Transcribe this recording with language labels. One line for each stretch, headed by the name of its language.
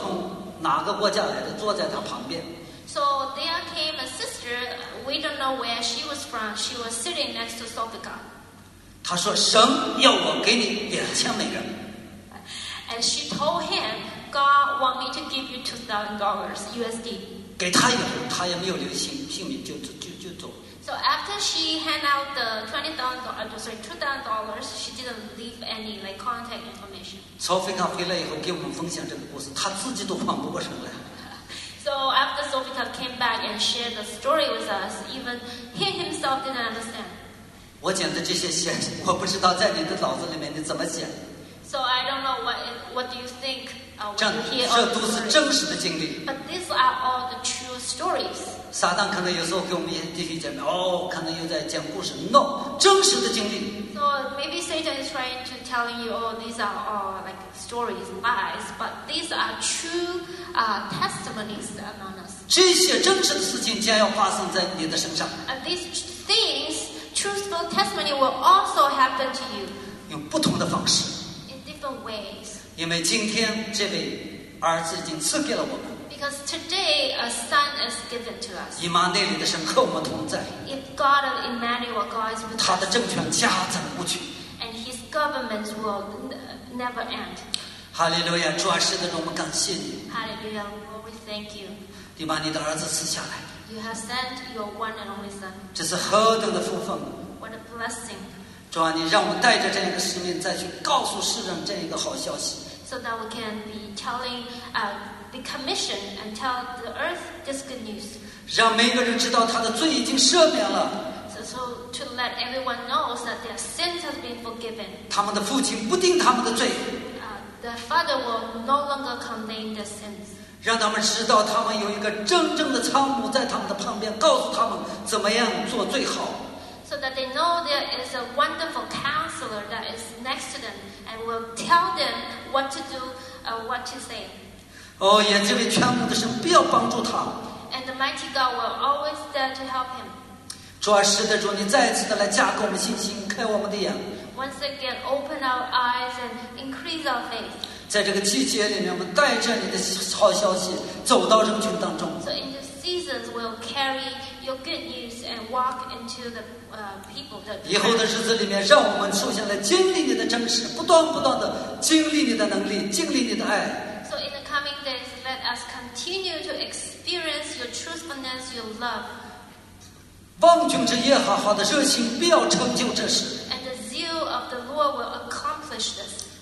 Chinese: 有一个女的姐妹不知道从哪个国家来的，坐在她旁边。
English: So there came a sister, we don't know where she was from. She was sitting next to Sofika.
Chinese: 她说，神要我给你2000美元。
English: And she told him, God want me to give you $2,000 USD.
Chinese: 给她以后，她也没有留姓名，就走。
English: So after she hand out the $2,000, she didn't leave any like contact information.
Chinese: Sofika 回来以后给我们分享这个故事，她自己都缓不过神来。
English: So after Sofika came back and shared the story with us, even he himself didn't understand.
Chinese: 我讲的这些，我不知道在你的脑子里面你怎么想。
English: So I don't know what do you think when you hear all this.
Chinese: 这都是真实的经历。
English: But these are all the true stories.
Chinese: 撒旦可能有时候给我们弟兄姐妹，哦，可能又在讲故事。 No, 真实的经历。
English: So maybe Satan is trying to tell you, oh, these are all like stories, lies, but these are true testimonies among us.
Chinese: 这些真实的事情将要发生在你的身上。
English: And these things, truthful testimony, will also happen to you.
Chinese: 用不同的方式。
English: In different ways.
Chinese: 因为今天这位儿子已经赐给了我们。
English: Because today a son is given to us.
Chinese: 以马内利的神和我们同在。
English: If God of Emmanuel, God is with us.
Chinese: 他的政权加增不绝。
English: And His government will never end.
Chinese: 哈利路亚，主啊，是的，我们感谢你。
English: Hallelujah, Lord, we thank you.
Chinese: 你把你的儿子赐下来。
English: You have sent your one and only son.
Chinese: 这是何等的福分。
English: What a blessing.
Chinese: 主啊，你让我带着这样的使命再去告诉世人这一个好消息。
English: So that we can be telling, be commissioned and tell the earth this good news.
Chinese: 让每个人知道他的罪已经赦免了。
English: So to let everyone know that their sins have been forgiven.
Chinese: 他们的父亲不定他们的罪。
English: The father will no longer condemn their sins.
Chinese: 让他们知道他们有一个真正的参谋在他们的旁边，告诉他们怎么样做最好。
English: So that they know there is a wonderful counselor that is next to them and will tell them what to do, what to say.
Chinese: 哦，也这位全能的神必要帮助他。
English: And the mighty God will always there to help him.
Chinese: 主啊，是的，主，你再次的来加给我们信心，开我们的眼。
English: Once again, open our eyes and increase our faith.
Chinese: 在这个季节里面，我们带着你的好消息走到人群当中。
English: So in the seasons, we'll carry your good news and walk into the people that.
Chinese: 以后的日子里面，让我们首先来经历你的真实，不断不断的经历你的能力，经历你的爱。
English: So in the coming days, let us continue to experience your truthfulness, your love.
Chinese: 望君之耶和华的热心必要成就这事。
English: And the zeal of the Lord will accomplish this.